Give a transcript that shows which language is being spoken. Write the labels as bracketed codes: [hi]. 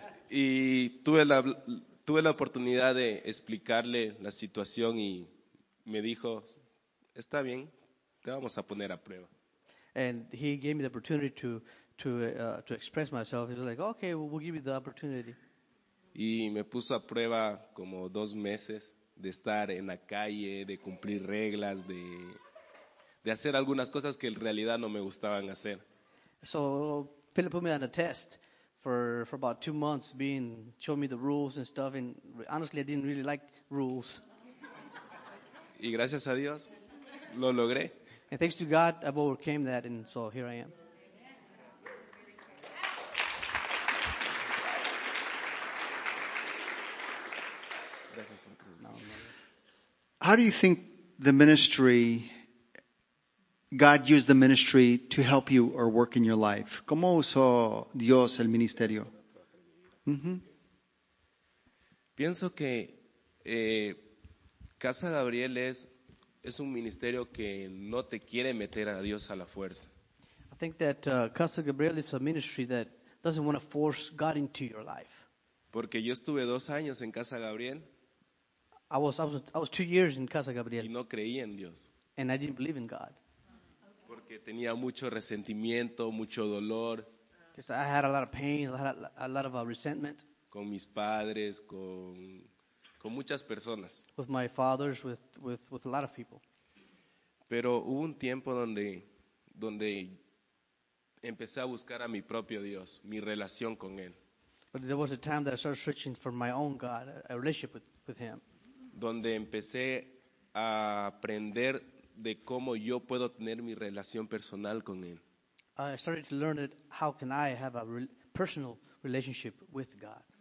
[es] Y tuve la oportunidad de explicarle la situación y me dijo, está bien, te vamos a poner a prueba. [en] And he gave me the opportunity to express myself. He was like, okay, we'll give you the opportunity. [es] Y me puso a prueba como 2 meses de estar en la calle, de cumplir reglas, de hacer algunas cosas que en realidad no me gustaban hacer. [en] So Philip put me on a test for about 2 months, being showing me the rules and stuff, and honestly I didn't really like rules. [es] Y gracias a Dios lo logré. [en] And thanks to God I've overcame that, and so here I am. How do you think the ministry, God used the ministry to help you or work in your life? [es] ¿Cómo usó Dios el ministerio? Pienso que Casa Gabriel es un ministerio que no te quiere meter a Dios a la fuerza. [en] I think that Casa Gabriel is a ministry that doesn't want to force God into your life. [es] Porque yo estuve 2 años en Casa Gabriel. [en] I was 2 years in Casa Gabriel. [es] Y no creía en Dios. [en] And I didn't believe in God. [es] Porque tenía mucho resentimiento, mucho dolor. [en] Because I had a lot of pain, a lot of resentment. [es] Con mis padres, con muchas personas. [en] With my fathers, with a lot of people. [es] Pero hubo un tiempo donde empecé a buscar a mi propio Dios, mi relación con Él. [en] But there was a time that I started searching for my own God, a relationship with Him. [es] Donde empecé a aprender de cómo yo puedo tener mi relación personal con Él. [en] I started to learn that how can I have a personal relationship with God.